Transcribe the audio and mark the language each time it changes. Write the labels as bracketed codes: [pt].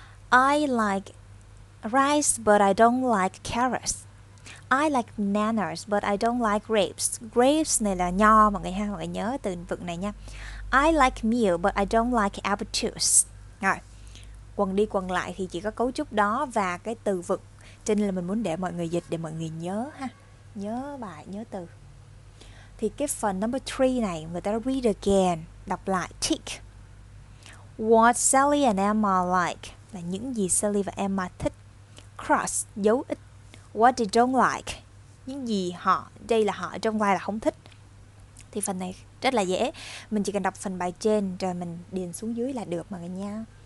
[en] I like rice, but I don't like carrots. I like bananas, but I don't like grapes. [vi] Grapes này là nho, mọi người ha, mọi người nhớ từ vựng này nha. [en] I like meal, but I don't like apple juice. [vi] Rồi, quần đi quần lại thì chỉ có cấu trúc đó và cái từ vựng. Cho nên là mình muốn để mọi người dịch để mọi người nhớ ha. Nhớ bài, nhớ từ. Thì cái phần number 3 này, người ta [en] read again, [vi] đọc lại, tick. [en] What Sally and Emma like? [vi] Là những gì Sally và Emma thích. Cross, dấu ít. [en] What they don't like. [vi] Những gì họ, đây là họ, [en] don't like [vi] là không thích. Thì phần này rất là dễ. Mình chỉ cần đọc phần bài trên rồi mình điền xuống dưới là được mọi người nha.